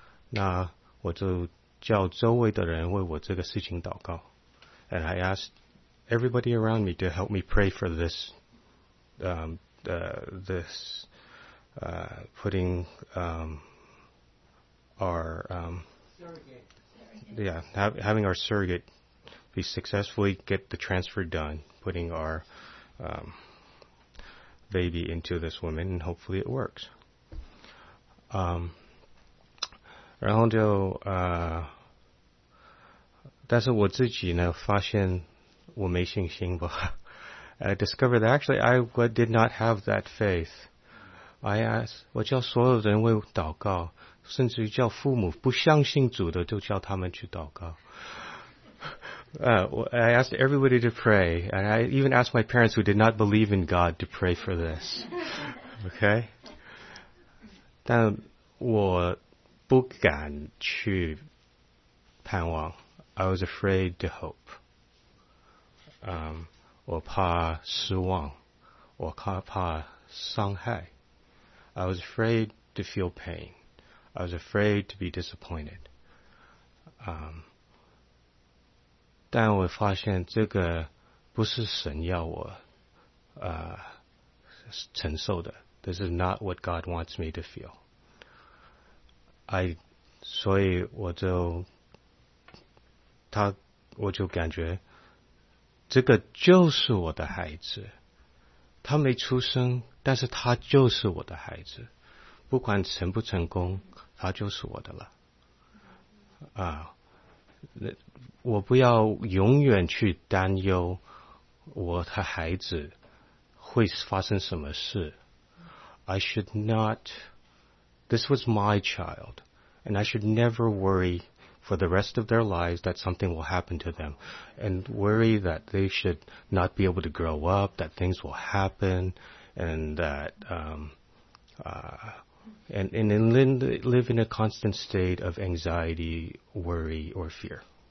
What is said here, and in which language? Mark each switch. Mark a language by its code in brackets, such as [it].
[zh] 那我就叫周围的人为我这个事情祷告。 [en] And I asked everybody around me to help me pray for this, having our surrogate be successfully get the transfer done, putting our baby into this woman, and hopefully it works. [zh] 然后就但是我自己呢发现我没信心吧。 [en] I discovered that actually I did not have that faith I ask, [zh] 我叫所有人为祷告，甚至于叫父母不相信主的都叫他们去祷告。 [en] I asked everybody to pray, and I even asked my parents who did not believe in God to pray for this. Okay? [zh] 但我不敢去盼望。 [en] I was afraid to hope. [zh] 我怕失望，我怕伤害。 [en] I was afraid to feel pain. I was afraid to be disappointed. [zh] 但我发现这个不是神要我承受的。 [en] This is not what God wants me to feel. [zh] 所以我就感觉这个就是我的孩子，他没出生，但是他就是我的孩子，不管成不成功，他就是我的了。我不要永远去担忧我的孩子会发生什么事。 [en] I should not. This was my child, and I should never worry. For the rest of their lives, that something will happen to them, and worry that they should not be able to grow up, that things will happen, and that, and live in a constant state of anxiety, worry, or fear.